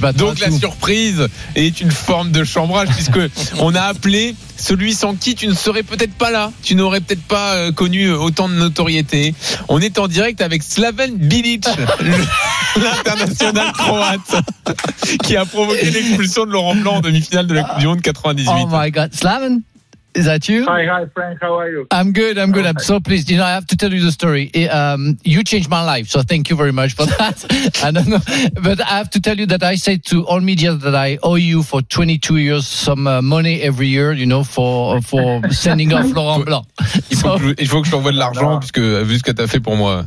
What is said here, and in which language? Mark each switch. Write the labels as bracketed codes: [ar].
[fr] Donc la surprise est une forme de chambrage, puisque on a appelé celui sans qui tu ne serais peut-être pas là. Tu n'aurais peut-être pas connu autant de notoriété. On est en direct avec Slaven Bilic, l'international croate, qui a provoqué l'expulsion de Laurent Blanc en demi-finale de la Coupe du Monde 98. [en] Oh my god, Slaven? Is that you? Hi, Frank. How are you? I'm good. Okay. I'm so pleased. You know, I have to tell you the story. You changed my life, so thank you very much for that. I don't know. But I have to tell you that I say to all media that I owe you for 22 years some money every year, you know, for sending off Laurent Blanc. [fr] Il faut que je t'envoie de l'argent, non. Puisque vu ce que tu as fait pour moi.